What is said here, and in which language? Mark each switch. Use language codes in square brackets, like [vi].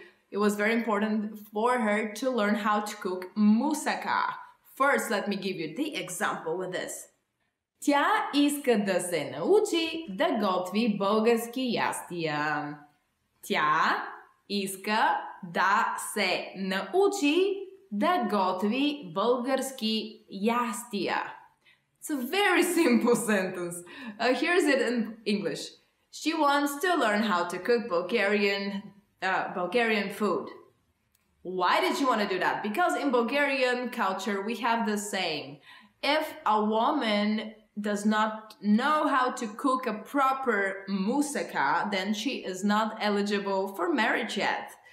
[en] It was very important for her to learn how to cook musaka. First, let me give you the example with this. [bg] Тя иска да се научи да готви български ястия. Тя иска да се научи да готви български ястия. [en] It's a very simple sentence. Here's it in English. She wants to learn how to cook Bulgarian food. Why did she want to do that? Because in Bulgarian culture, we have the saying, if a woman does not know how to cook a proper musaka, then she is not eligible for marriage yet.